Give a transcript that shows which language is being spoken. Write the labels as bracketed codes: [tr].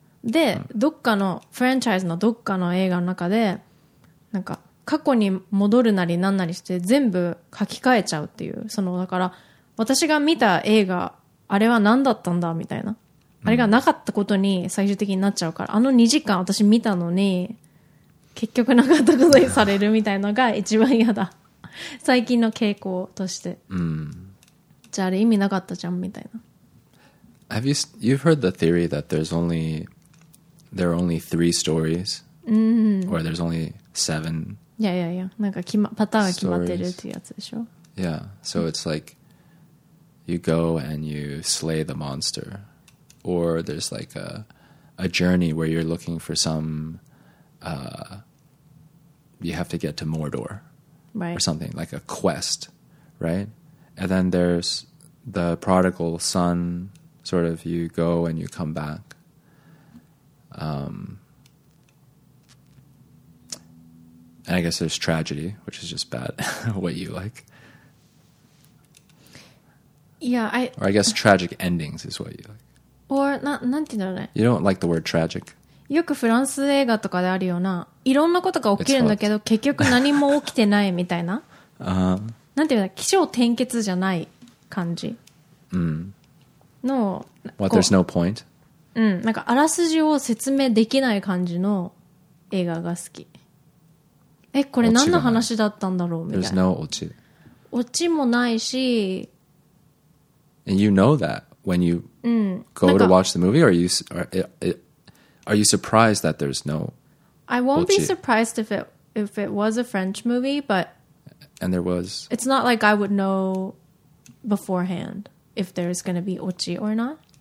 [ja] で、どっかのフランチャイズのどっかの映画の中でなんか過去に戻るなりなんなりして全部書き換えちゃうっていう、そのだから私が見た映画あれは何だったんだみたいな、あれがなかったことに最終的になっちゃうから、あの2時間私見たのに結局なかったことにされるみたいなのが一番嫌だ最近の傾向として、じゃああれ意味なかったじゃんみたいな。 [en] Have you, you've heard the theory that there's only there are only three stories、or there's only seven、 yeah, yeah, yeah. [ja] なんか決まパターンが決まってるっていうやつでしょ。 [en] Yeah, so it's like you go and you slay the monster, or there's like a journey where you're looking for some、you have to get to Mordor、 right. or something, like a quest, right? And then there's the prodigal son, sort of you go and you come back. And I guess there's tragedy, which is just bad, what you like. Yeah, I, or I guess tragic endings is what you like. [ja] Or, なんて言うんだろうね。 [en] You don't like the word tragic. [ja] よくフランス映画とかであるような、いろんなことが起きるんだけど、結局何も起きてないみたいな。なんて言うんだろう、起承転結じゃない感じ。の、 [en] What, there's no point? [ja] なんかあらすじを説明できない感じの映画が好き。え、これ何の話だったんだろうみたいな。 [en] There's no オチ。 [ja] オチもないし、 [en] And you know that when you go to watch the movie, or are you surprised that there's no? I won't be surprised if it was a French movie, but and there was. It's not like I would know beforehand if there's going to be Ochi or not.